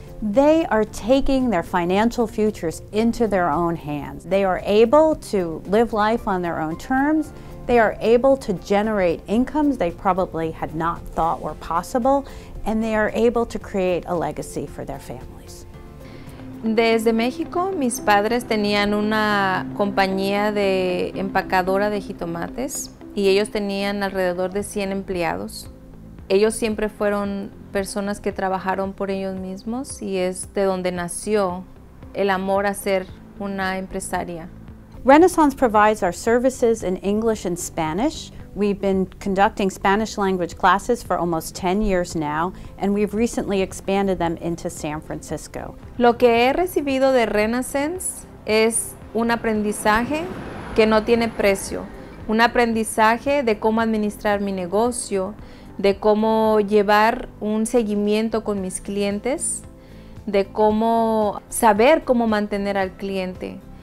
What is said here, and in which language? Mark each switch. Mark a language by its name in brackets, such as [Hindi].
[English] They are taking their financial futures into their own hands. They are able to live life on their own terms. They are able to generate incomes they probably had not thought were possible, and they are able to create a legacy for their families. [Spanish] Desde México, mis padres tenían una compañía de empacadora de jitomates y ellos tenían alrededor de 100 empleados. Ellos siempre fueron personas que trabajaron por ellos mismos y es de donde nació el amor a ser una empresaria. [English] Renaissance provides our services in English and Spanish. We've been conducting Spanish language classes for almost 10 years now, and we've recently expanded them into San Francisco. [Spanish] Lo que he recibido de Renaissance es un aprendizaje que no tiene precio. Un aprendizaje de cómo administrar mi negocio, de cómo llevar un seguimiento con mis clientes, de cómo saber cómo mantener al cliente.